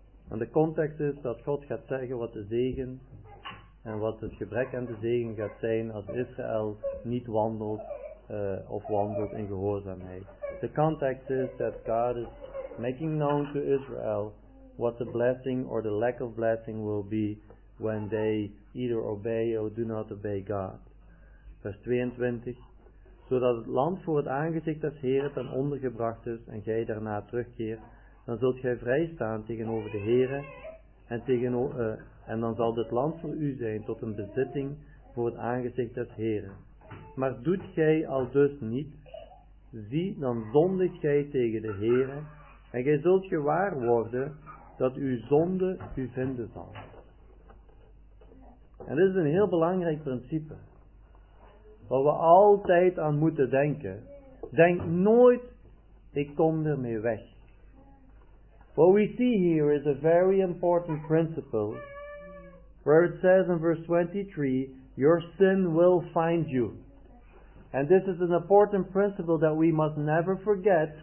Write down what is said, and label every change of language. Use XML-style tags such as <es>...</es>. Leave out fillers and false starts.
<nl>En de context is dat God gaat zeggen wat de zegen en wat het gebrek aan de zegen gaat zijn als Israël niet wandelt of wandelt in gehoorzaamheid.</nl> <en>The context is that God is making known to Israel what the blessing or the lack of blessing will be when they either obey or do not obey God.</en> <nl>Vers 22. Zodat het land voor het aangezicht des Heren ten onder gebracht is en gij daarna terugkeert, dan zult gij vrij staan tegenover de Heren en tegenover... En dan zal dit land voor u zijn tot een bezitting voor het aangezicht des Heren. Maar doet gij al dus niet, zie, dan zondigt gij tegen de Heren, en gij zult gewaar worden dat uw zonde u vinden zal. En dit is een heel belangrijk principe, waar we altijd aan moeten denken. Denk nooit, ik kom ermee weg.</nl> <en>What we see here is a very important principle, where it says in verse 23, your sin will find you. And this is an important principle that we must never forget.</en>